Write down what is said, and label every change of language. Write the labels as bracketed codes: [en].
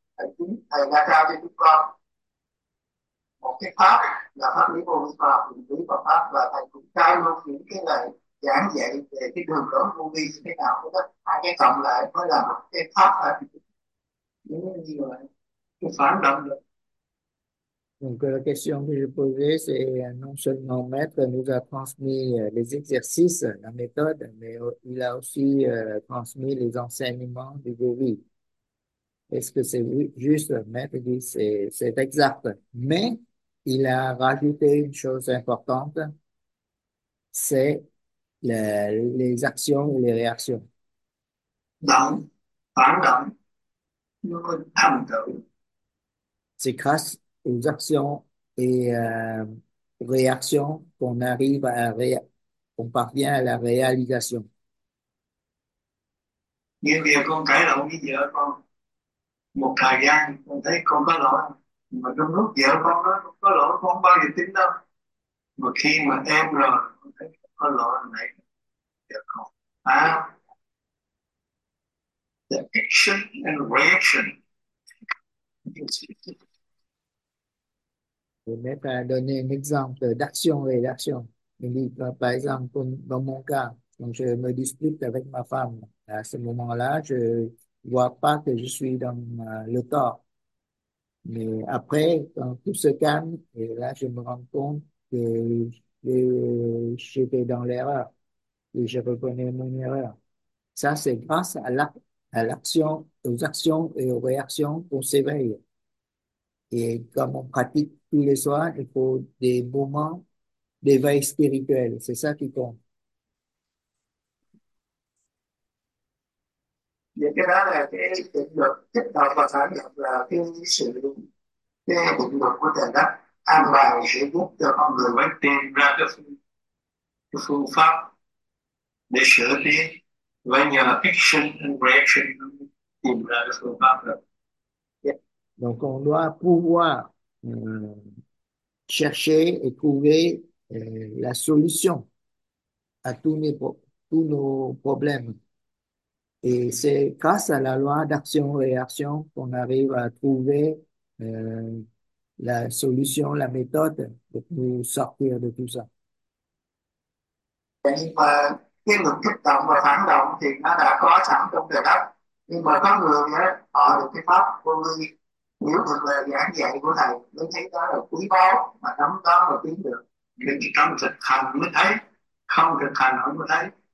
[vi] Thầy chính thầy đã trao cho chúng con một cái pháp là pháp lý vô vi pháp, lý vô vi pháp, và thầy cũng trao luôn những cái lời giảng dạy về cái đường lối vô vi như thế nào đó. Hai cái cộng lại mới là một cái pháp là những gì mà cái phản động được. [fr] Donc, la question que je posais, c'est non seulement Maître nous a transmis les exercices, la méthode, mais il a aussi transmis les enseignements du Gauri. Est-ce que c'est juste, Maître dit, c'est exact. Mais il a rajouté une chose importante, c'est les actions ou les réactions. [vi] Động, phản động, nó có thành tựu. [fr] C'est grâce aux actions et réactions qu'on arrive à qu'on parvient à la réalisation. [vi] Nhưng bây giờ con cãi lộn với vợ con. Một thời gian con thấy con có lỗi. Mà trong lúc vợ con nói con có lỗi, con không bao giờ tính đâu. Mà khi mà em rồi, con thấy con có lỗi này. Vợ con. À, [en] the action and reaction. [fr] Le maître a donné un exemple d'action et d'action. Il dit, par exemple, dans mon cas, quand je me dispute avec ma femme, à ce moment-là, je ne vois pas que je suis dans le tort. Mais après, quand tout se calme, et là, je me rends compte que j'étais dans l'erreur, et je reconnais mon erreur. Ça, c'est grâce à l'action, aux actions et aux réactions qu'on s'éveille. Et comme on pratique tous les soirs, il faut des moments d'éveil spirituel. C'est ça qui compte. [vi] Vậy cái đó là cái định luật kích động và phản động, là cái sự cái định luật của trời đất an bài sẽ giúp cho con người mới tìm ra cái phương pháp để sửa tiến, và nhờ [en] action and reaction [vi] tìm ra cái phương pháp đó. [fr] Donc, on doit pouvoir chercher et trouver la solution à tous nos problèmes. Et c'est grâce à la loi d'action-réaction qu'on arrive à trouver la solution, la méthode pour nous sortir de tout ça. [vi] Nhưng mà cái lực kích động và phản động thì nó đã có sẵn trong trời đất, nhưng mà có người á họ được cái pháp vô vi hiểu được lời giảng dạy của thầy mới thấy đó là quý báu mà nắm đó mà tiến được. Nhưng chỉ trong thực hành mới thấy, không thực hành không mới thấy.